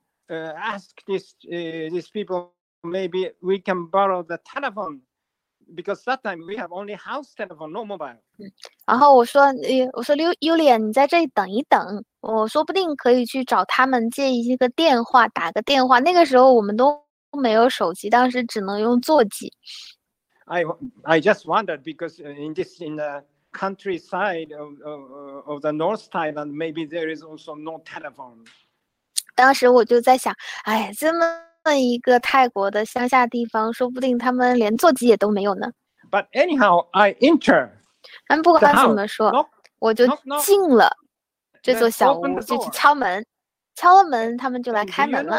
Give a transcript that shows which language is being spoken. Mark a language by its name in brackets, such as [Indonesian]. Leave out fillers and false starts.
[English] Ask these people, maybe we can borrow the telephone, because that time we have only house telephone, no mobile. [Chinese] 然后我说，Julian, 你在这里等一等，我说不定可以去找他们借一个电话，打个电话。那个时候我们都没有手机，当时只能用座机。 [English] I just wondered because in this in the countryside of the North Thailand, maybe there is also no telephone. [Chinese] 当时我就在想，哎，这么一个泰国的乡下地方，说不定他们连座机也都没有呢。 [English] But anyhow, I enter. [Chinese] 但不管怎么说， [English] house, knock, [Chinese] 我就进了这座小屋， [English] knock, knock, [Chinese] 就去敲门。敲了门，他们就来开门了。